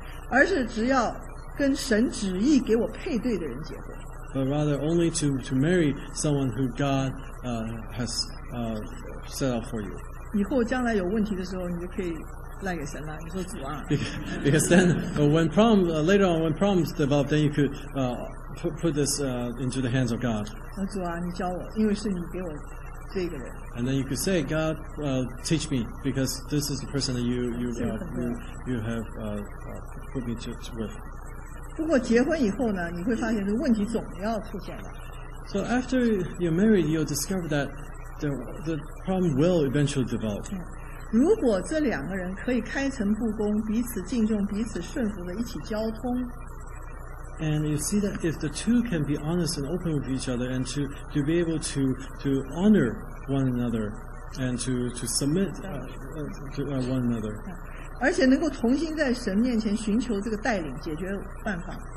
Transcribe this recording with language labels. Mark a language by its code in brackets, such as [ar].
[zh] 而是只要跟神旨意给我配对的人结婚。 [en] But rather only to marry someone who God has set out for you. [zh] 以后将来有问题的时候，你就可以。赖给神了，你说主啊。 [en] Because then, when problems later on, when problems develop, then you could put this into the hands of God. [zh] 主啊，你教我，因为是你给我这个人。 [en] And then you could say, God, teach me, because this is the person that you have put me to with. [zh] 不过结婚以后呢，你会发现这个问题总要出现的。 [en] So after you're married, you'll discover that the problem will eventually develop. [zh] 如果这两个人可以开诚布公，彼此敬重，彼此顺服的一起交通。 [en] And you see that if the two can be honest and open with each other, and to be able to honor one another, and to submit to one another. [zh] 而且能够同心在神面前寻求这个带领解决办法。